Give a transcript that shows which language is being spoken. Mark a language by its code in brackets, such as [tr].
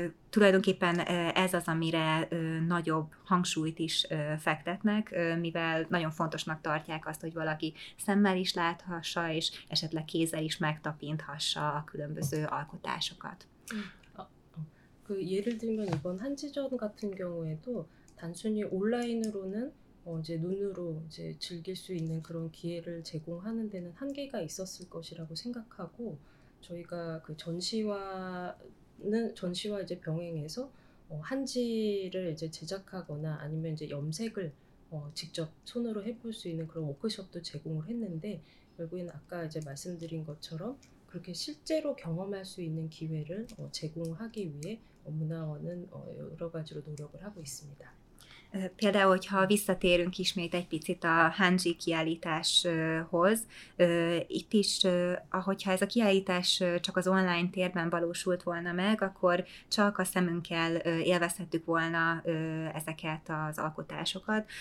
[hu] Tulajdonképpen ez az, amire nagyobb hangsúlyt is fektetnek, mivel nagyon fontosnak tartják azt, hogy valaki szemmel is láthassa, és esetleg kézzel is megtapinthassa a különböző alkotásokat. [ko] 그 예를 들면 이번 한지전 같은 경우에도 단순히 온라인으로는 이제 눈으로 이제 즐길 수 있는 그런 기회를 제공하는 데는 한계가 있었을 것이라고 생각하고 저희가 그 전시와 이제 병행해서 한지를 이제 제작하거나 아니면 이제 염색을 직접 손으로 해볼 수 있는 그런 워크숍도 제공을 했는데 결국엔 아까 이제 말씀드린 것처럼 그렇게 실제로 경험할 수 있는 기회를 제공하기 위해 문화원은 여러 가지로 노력을 하고 있습니다. [hu] Például, hogyha visszatérünk ismét egy picit a Hanji kiállításhoz, itt is, ahogyha ez a kiállítás csak az online térben valósult volna meg, akkor csak a szemünkkel élvezhettük volna ezeket az alkotásokat.